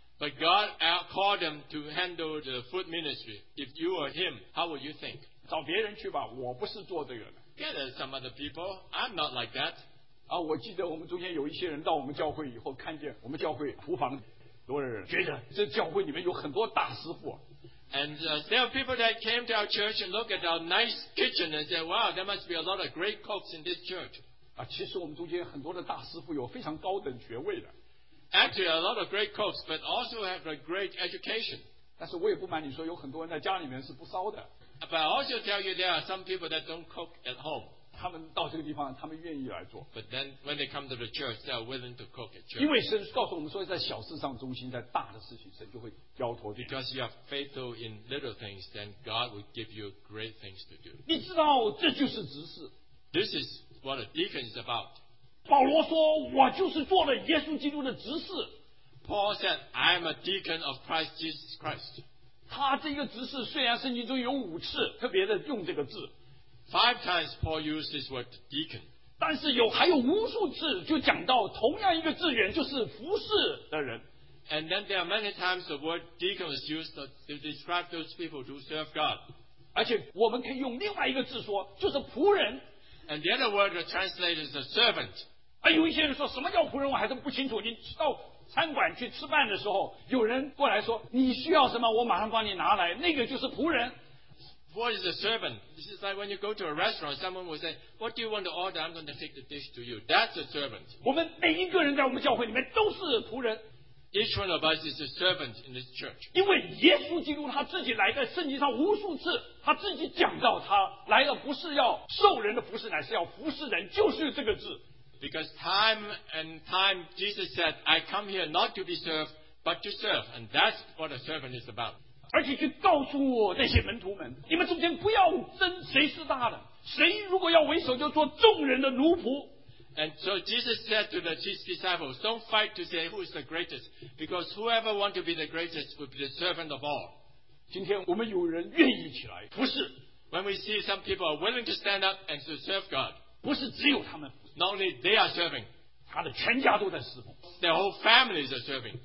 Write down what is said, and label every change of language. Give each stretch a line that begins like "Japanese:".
English: But God called them to handle the food ministry. If you were him, how would you think?
Chinese: 找别人去吧，我不是做这个的。
English: Get some other people. I'm not like that.
Chinese: 啊，我记得我们中间有一些人到我们教会以后，看见我们教会厨房多人，觉得这教会里面有很多大师傅。
English: And there are people that came to our church and look at our nice kitchen and said, "Wow, there must be a lot of great cooks in this church."
Chinese: 啊，其实我们中间很多的大师傅有非常高等学位的。
English: Actually, a lot of great cooks, but also have a great education.
Chinese: 但是我也不瞒你说，有很多人在家里面是不烧的。
English: But I also tell you there are some people that don't cook at home.
Chinese: 他们到这个地方，他们愿意来做。
English: But then when they come to the church, they are willing to cook at church.
Chinese: 因为神告诉我们说，在小事上忠心，在大的事情，神就会交托。
English: Because you are faithful in little things, then God will give you great things to do.
Chinese: 你知道这就是执事。
English: This is what a deacon is about.
Chinese: 保罗说，我就是做了耶稣基督的执事。
English: Paul said, "I am a deacon of Christ Jesus Christ."
Chinese: 他这个执事虽然圣经中有五次特别的用这个字。
English: Five times Paul used this word deacon.
Chinese: 但是有还有无数次就讲到同样一个字源，就是服侍的人。
English: And then there are many times the word deacon is used to describe those people who serve God.
Chinese: 而且我们可以用另外一个字说，就是仆人。
English: And the other word translated is a servant.
Chinese: 而有一些人说什么叫仆人，我还是不清楚。你知道。餐馆去吃饭的时候，有人过来说你需要什么，我马上帮你拿来，那个就是仆人。
English: What is a servant? This is like when you go to a restaurant, someone will say, "What do you want to order? I'm going to take the dish to you." That's a servant.
Chinese: 我们每一个人在我们教会里面都是仆人。
English: Each one of us is a servant in this church.
Chinese: 因为耶稣基督他自己来在圣经上无数次，他自己讲到他来了不是要受人的服侍，乃是要服侍人，就是这个字。
English: Because time and time, Jesus said, "I come here not to be served, but to serve. And that's what a servant is about.
Chinese: 而且去告诉那些门徒们，你们中间不要争谁是大的，谁如果要为首就做众人的奴仆。
English: And so Jesus said to the chief disciples, don't fight to say who is the greatest, because whoever wants to be the greatest will be the servant of all.
Chinese: 今天我们有人愿意起来服事。
English: When we see some people are willing to stand up and to serve God,
Chinese: 不是只有他们服
English: 事。Not only they are serving,
Chinese: 他的全家都在侍奉。
English: Their whole families are serving,